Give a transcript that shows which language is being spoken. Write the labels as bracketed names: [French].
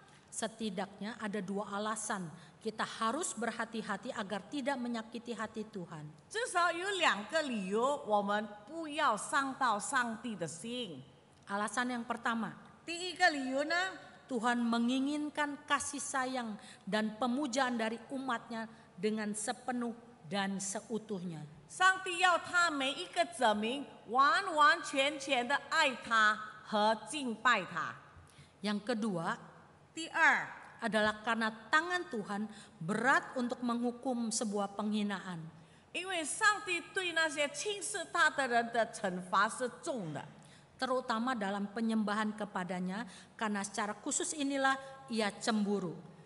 [Indonesian] Setidaknya ada dua alasan kita harus berhati-hati agar tidak menyakiti hati Tuhan. [Chinese] 至少有两个理由我们不要伤到上帝的心。 [Indonesian] Alasan yang pertama. [Chinese] 第一个理由呢? [Indonesian] Tuhan menginginkan kasih sayang dan pemujaan dari umatnya dengan sepenuh dan seutuhnya. [Chinese] 上帝要他每一个子民完完全全的爱他和敬拜他。 [Indonesian] Yang kedua. [Chinese] 第二, [Indonesian] adalah karena tangan Tuhan berat untuk menghukum sebuah penghinaan. [Chinese] 因为上帝对那些轻视他的人的惩罚是重的。 [Indonesian] Terutama dalam penyembahan kepadanya, karena secara khusus inilah ia cemburu.